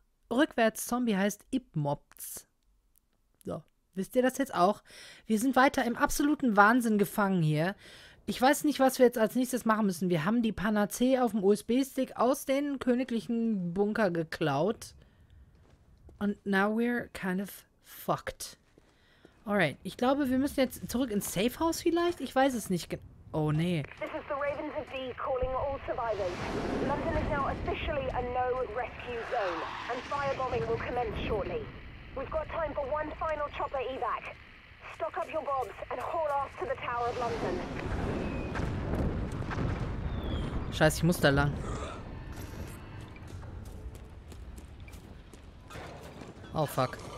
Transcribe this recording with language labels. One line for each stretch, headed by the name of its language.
German: Rückwärts Zombie heißt Ipmops. So, wisst ihr das jetzt auch? Wir sind weiter im absoluten Wahnsinn gefangen hier. Ich weiß nicht, was wir jetzt als nächstes machen müssen. Wir haben die Panacee auf dem USB-Stick aus den königlichen Bunker geklaut.
English: Und now we're kind of fucked.
German: Alright, ich glaube, wir müssen jetzt zurück ins Safe House vielleicht? Ich weiß es nicht. Oh, nee.
English: This is the Ravens of Dee calling all survivors. London is now officially a no-rescue zone. And firebombing will commence shortly. We've got time for one final chopper evac. Stock up your bobs and haul off to the Tower of London.
German: Scheiße, ich muss da lang.
English: Oh, fuck.